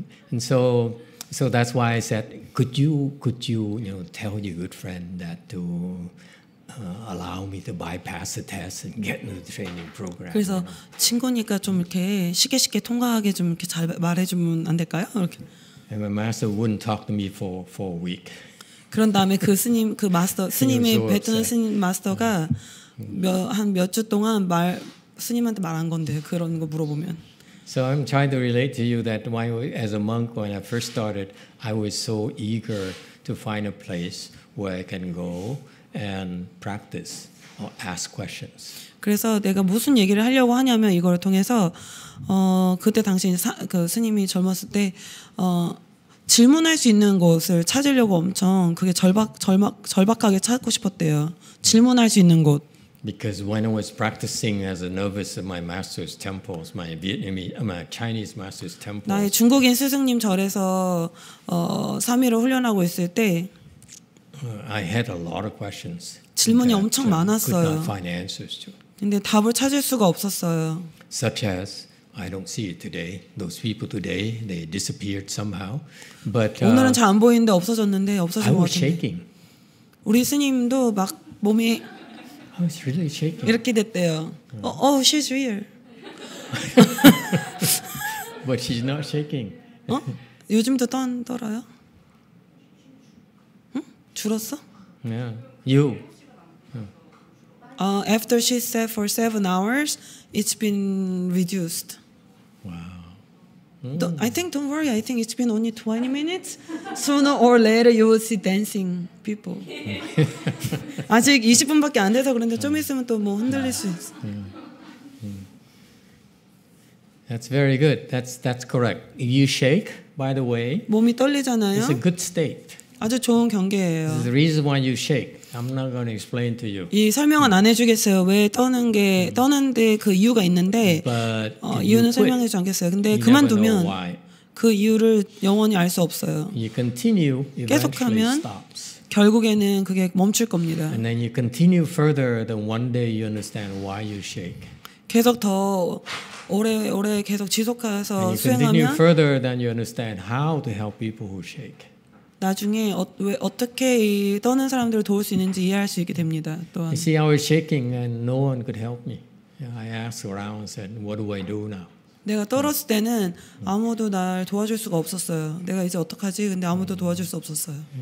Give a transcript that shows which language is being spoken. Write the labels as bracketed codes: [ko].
[en] And so that's why I said, could you you know tell your good friend that to allow me to bypass the test and get into the training program. [ko] 그래서 친구니까 좀 이렇게 쉽게 통과하게 좀 이렇게 잘 말해주면 안 될까요? 이렇게. [en] And my master wouldn't talk to me for a week. [ko] 그런 다음에 그 스님 그 마스터 스님의 베트남 스님 마스터가 몇 주 동안 말 스님한테 말한 건데 그런 거 물어보면. [en] So I'm trying to relate to you that when as a monk when I first started, I was so eager to find a place where I can go. And practice or ask questions. [ko] 그래서 내가 무슨 얘기를 하려고 하냐면 이걸 통해서 그때 당시 그 스님이 젊었을 때 질문할 수 있는 곳을 찾으려고 엄청 그게 절박하게 찾고 싶었대요. 질문할 수 있는 곳. [en] Because when I was practicing as a novice in my master's temples, my Vietnamese, my Chinese master's temples. [ko] 나의 중국인 스승님 절에서 3일을 훈련하고 있을 때. [en] I had a lot of questions. [ko] 질문이 엄청 많았어요. [en] Could not find answers to. [ko] 근데 답을 찾을 수가 없었어요. [en] Such as I don't see it today. Those people today, they disappeared somehow. But [ko] 오늘은 잘 안 보이는데 없어졌는데 없어진 것 같은데. [en] I was shaking. [ko] 우리 스님도 막 몸이 [en] I was really shaking. [ko] 이렇게 됐대요. [en] Oh, she's real. But she's not shaking. [ko] 어? 요즘도 떨어요? 줄었어? [en] Yeah. You. After she sat for 7 hours, it's been reduced. Wow. Don't worry. I think it's been only 20 minutes. Sooner or later, you will see dancing people. [ko] 아직 20분밖에 안 돼서 그런데 좀 있으면 또 뭐 흔들릴 수 있어. [en] That's very good. That's correct. You shake, by the way. [ko] 몸이 떨리잖아요. [en] It's a good state. [ko] 아주 좋은 경계예요. [en] The reason why you shake, I'm not going to explain to you. [ko] 이 설명은 안 해주겠어요. 왜 떠는 게 떠는데 그 이유가 있는데 [en] But [ko] 이유는 [en] quit, [ko] 설명해주지 않겠어요. 근데 그만두면 그 이유를 영원히 알 수 없어요. [en] You continue, eventually [ko] 계속하면 [en] stops. [ko] 결국에는 그게 멈출 겁니다. [en] And then you continue further, then one day you understand why you shake. [ko] 계속 더 오래 계속 지속해서 수행하면 [en] And you continue further, then you understand how to help people who shake. [ko] 나중에 어떻게 이 떠는 사람들을 도울 수 있는지 이해할 수 있게 됩니다. 또한. [en] You see, I was shaking and no one could help me. I asked around and said, "What do I do now?" [ko] 내가 떨었을 때는 아무도 날 도와줄 수가 없었어요. 내가 이제 어떡하지? 근데 아무도 도와줄 수 없었어요.